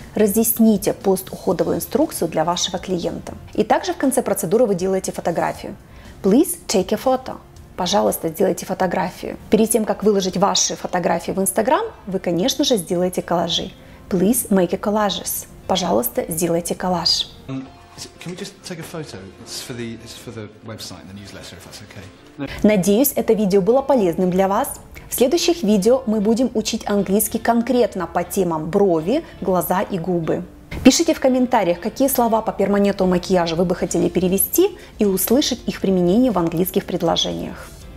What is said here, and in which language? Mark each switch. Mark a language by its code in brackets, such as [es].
[ru] Разъясните постуходовую инструкцию для вашего клиента. И также в конце процедуры вы делаете фотографию. [en] Please take a photo. [ru] Пожалуйста, сделайте фотографию. Перед тем, как выложить ваши фотографии в Instagram, вы, конечно же, сделаете коллажи. [en] Please make a collages. [ru] Пожалуйста, сделайте коллаж. [en] Can we just take a photo? It's for the website, the newsletter, if that's okay. [ru] Надеюсь, это видео было полезным для вас. В следующих видео мы будем учить английский конкретно по темам брови, глаза и губы. Пишите в комментариях, какие слова по перманентному макияжу вы бы хотели перевести и услышать их применение в английских предложениях.